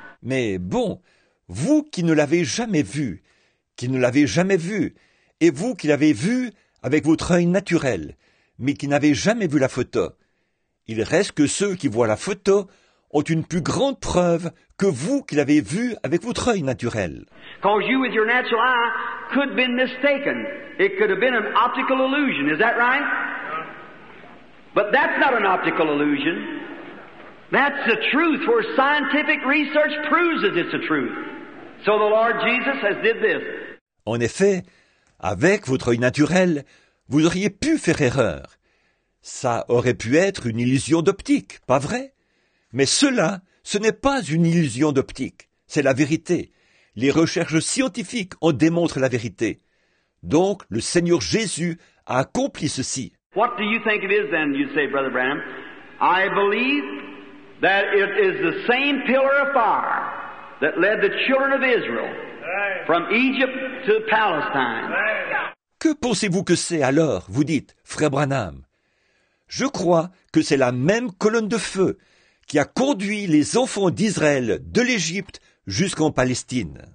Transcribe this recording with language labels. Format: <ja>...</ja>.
<fr>Mais bon, vous qui ne l'avez jamais vu, qui ne l'avez jamais vu, et vous qui l'avez vu avec votre œil naturel, mais qui n'avez jamais vu la photo. Il reste que ceux qui voient la photo ont une plus grande preuve que vous qui l'avez vu avec votre œil naturel.</fr> <en>Because you with your natural eye could have been mistaken. It could have been an optical illusion, is that right? But that's not an optical illusion. That's the truth, where scientific research proves it's the truth. So the Lord Jesus has did this.</en> <fr>En effet, avec votre œil naturel, vous auriez pu faire erreur. Ça aurait pu être une illusion d'optique, pas vrai? Mais cela, ce n'est pas une illusion d'optique, c'est la vérité. Les recherches scientifiques en démontrent la vérité. Donc, le Seigneur Jésus a accompli ceci.</fr> <en>What do you think it is then, you say, Brother Branham? I believe that it is the same pillar of fire that led the children of Israel from Egypt to Palestine.</en> <fr>Que pensez-vous que c'est alors, vous dites, Frère Branham? Je crois que c'est la même colonne de feu qui a conduit les enfants d'Israël de l'Égypte jusqu'en Palestine.</fr>